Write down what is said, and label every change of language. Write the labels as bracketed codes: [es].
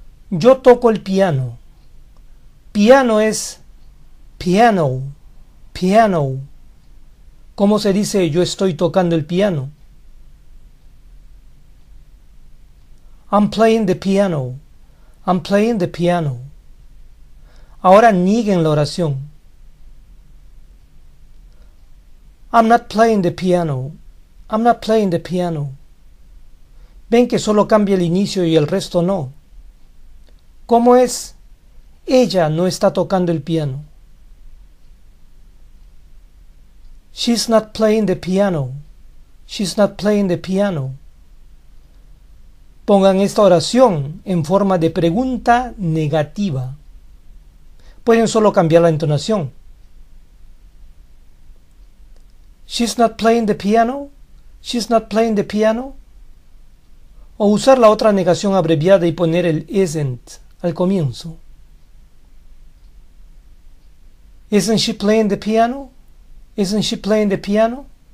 [es] Yo toco el piano. Piano es piano, piano. ¿Cómo se dice yo estoy tocando el piano? [en] I'm playing the piano. I'm playing the piano. [es] Ahora nieguen la oración. [en] I'm not playing the piano. I'm not playing the piano. [es] Ven que solo cambia el inicio y el resto no. ¿Cómo es? Ella no está tocando el piano. [en] She's not playing the piano. She's not playing the piano. [es] Pongan esta oración en forma de pregunta negativa. Pueden solo cambiar la entonación. [en] She's not playing the piano. She's not playing the piano. [es] O usar la otra negación abreviada y poner el isn't al comienzo. [en] Isn't she playing the piano? Isn't she playing the piano?